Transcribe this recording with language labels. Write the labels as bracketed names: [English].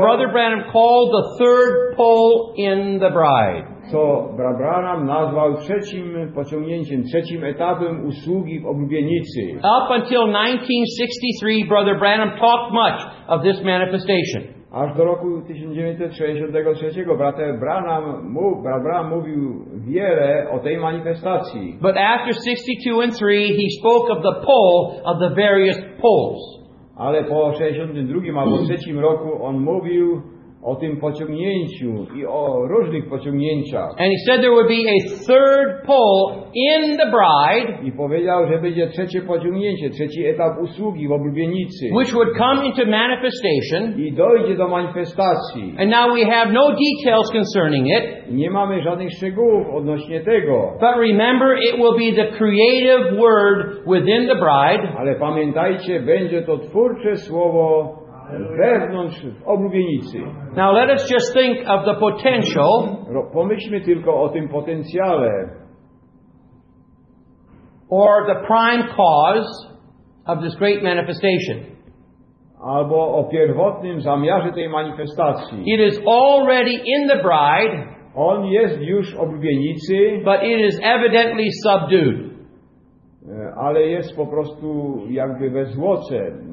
[English] Brother Branham called the third pole in the bride. [Polish] Co brat Branham nazwał trzecim pociągnięciem, trzecim etapem usługi w oblubienicy. [English] Up until 1963, Brother Branham talked much of this manifestation. [Polish] Aż do roku 1963 brat Branham mówił wiele o tej manifestacji. [English] But after 62 and 3, he spoke of the pole of the various poles. [Polish] Ale po 62 albo 3 roku on mówił o tym pociągnięciu i o różnych pociągnięciach. [English] And he said there would be a third pole in the bride. [Polish] I powiedział, że będzie trzecie pociągnięcie, trzeci etap usługi w oblubienicy. [English] Which would come into manifestation. [Polish] I dojdzie do manifestacji. [English] And now we have no details concerning it. [Polish] I nie mamy żadnych szczegółów odnośnie tego. [English] But remember, it will be the creative word within the bride. [Polish] Ale pamiętajcie, będzie to twórcze słowo wewnątrz w oblubienicy. [English] Now let us just think of the potential. [Polish] Pomyślmy tylko o tym potencjale. [English] Or the prime cause of this great manifestation. [Polish] Albo o pierwotnym zamiarze tej manifestacji. [English] It is already in the bride. [Polish] On jest już w oblubienicy. [English] But it is evidently subdued. [Polish] Ale jest po prostu jakby we zwłoce.